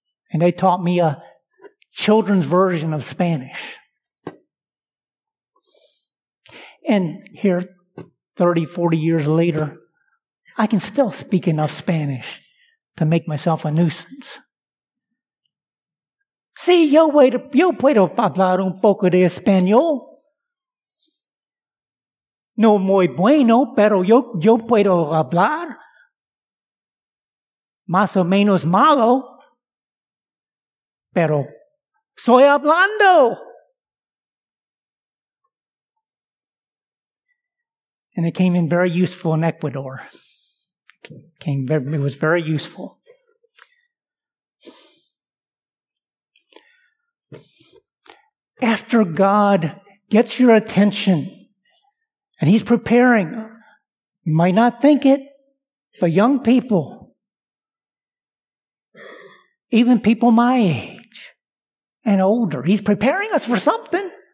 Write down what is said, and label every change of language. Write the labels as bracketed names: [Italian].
[English] And they taught me a children's version of Spanish. And here, 30, 40 years later, I can still speak enough Spanish to make myself a nuisance. [Spanish] Si, yo puedo hablar un poco de español. No muy bueno, pero yo puedo hablar. Más o menos malo, pero soy hablando. [English] And it came in very useful in Ecuador. It was very useful. After God gets your attention, and he's preparing, you might not think it, but young people, even people my age and older, he's preparing us for something.